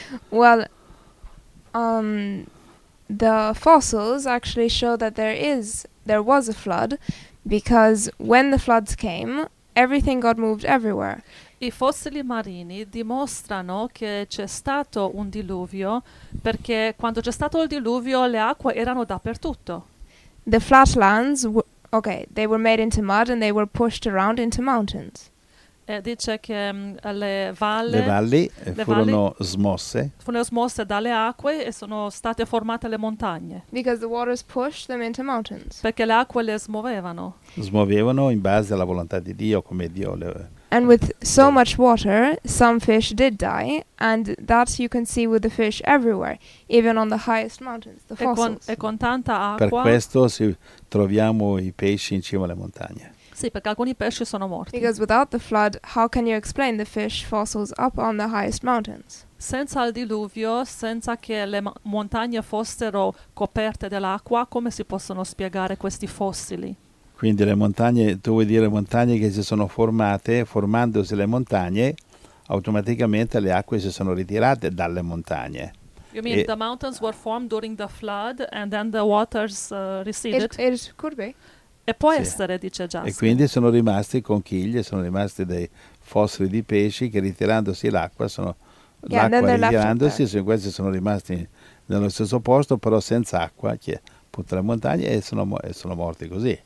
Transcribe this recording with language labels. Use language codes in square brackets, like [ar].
[en] Well, the fossils actually show that there was a flood, because when the floods came, everything got moved everywhere. [it] I fossili marini dimostrano che c'è stato un diluvio, perché quando c'è stato il diluvio le acque erano dappertutto. [en] The flatlands, they were made into mud and they were pushed around into mountains. [it] Dice che le valli furono smosse dalle acque e sono state formate le montagne. [en] Because the waters pushed them into mountains. [it] Perché le acque le smuovevano. Smuovevano in base alla volontà di Dio, come Dio le. [en] And with so much water, some fish did die, and that you can see with the fish everywhere, even on the highest mountains, the fossils. [it] E con tanta acqua. Per questo si troviamo i pesci in cima alle montagne. Sì, perché alcuni pesci sono morti. [en] Because without the flood, how can you explain the fish fossils up on the highest mountains? [it] Senza il diluvio, senza che le montagne fossero coperte dall'acqua, come si possono spiegare questi fossili? Quindi le montagne, tu vuoi dire montagne che si sono formate, formandosi le montagne, automaticamente le acque si sono ritirate dalle montagne. [en] You mean the mountains were formed during the flood and then the waters receded? It could be. [it] E può essere, dice Jasmine. E quindi sono rimasti conchiglie, sono rimasti dei fossili di pesci che ritirandosi l'acqua, questi sono rimasti nello stesso posto, però senza acqua, che putte le montagne e sono morti così.